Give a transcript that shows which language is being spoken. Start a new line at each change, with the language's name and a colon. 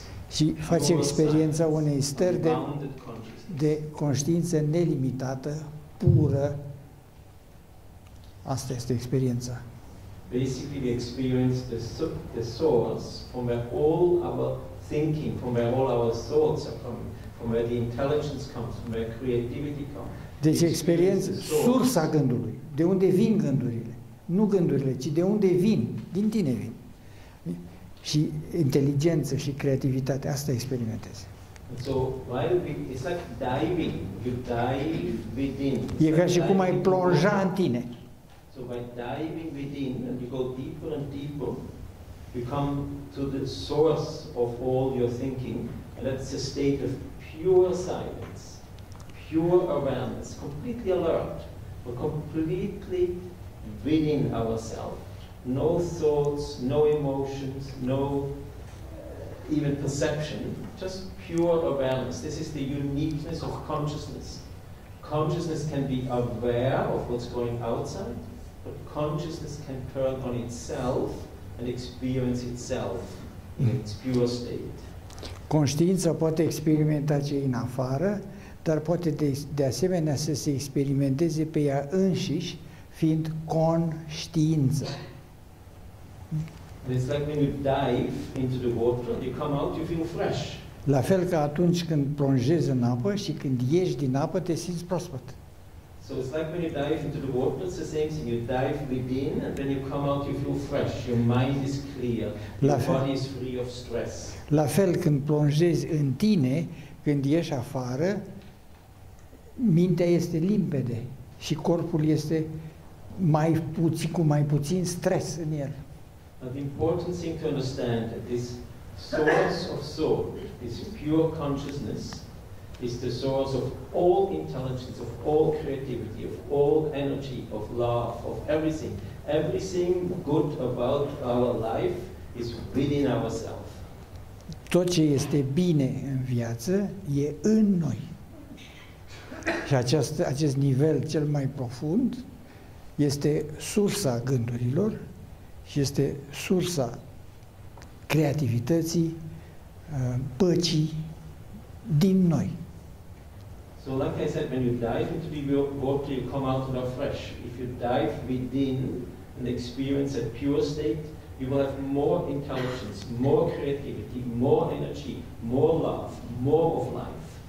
Romanian: Și faci experiența unei stări de conștiință nelimitată, pură. Asta este experiența.
English: Basically, we experience the source from where all our thinking, from where all our thoughts are coming, from where the intelligence comes, from where creativity comes.
Romanian: Deci experiența, sursa gândului, de unde vin gândurile, nu gândurile, ci de unde vin, din tine vin. Și inteligență și creativitate, asta experimentezi.
English: So, it's like diving, you dive within.
Romanian: E ca și cum ai plonja în tine.
English: So by diving within and you go deeper and deeper, you come to the source of all your thinking, and that's a state of pure silence, pure awareness, completely alert, but completely within ourselves. No thoughts, no emotions, no even perception, just pure awareness. This is the uniqueness of consciousness. Consciousness can be aware of what's going outside, but consciousness can turn on itself and experience itself in its pure state.
Romanian: Conștiința poate experimenta ce e în afară, dar poate de asemenea să se experimenteze pe ea înșiși, fiind conștiință.
English: It's like when you dive into the water, you come out, you feel fresh.
Romanian: La fel ca atunci când plonjezi în apă și când ieși din apă, te simți proaspăt.
English: So it's like when you dive into the water, it's the same thing. You dive within and then you come out, you feel fresh. Your mind is clear. Your body is free of stress.
Romanian: La fel când plonjezi în tine, când ieși afară, mintea este limpede și corpul este mai puțin, cu mai puțin stres în el.
English: But the important thing to understand that this source of soul, this pure consciousness, is the source of all intelligence, of all creativity, of all energy, of love, of everything. Everything good about our life is within ourselves.
Romanian: Tot ce este bine în viață e în noi. Și acest nivel cel mai profund este sursa gândurilor și este sursa creativității, păcii din noi.
English: So like I said, when you dive into the water, you come out fresh. If you dive within and experience a pure state, you will have more intelligence, more creativity, more energy, more love, more of life.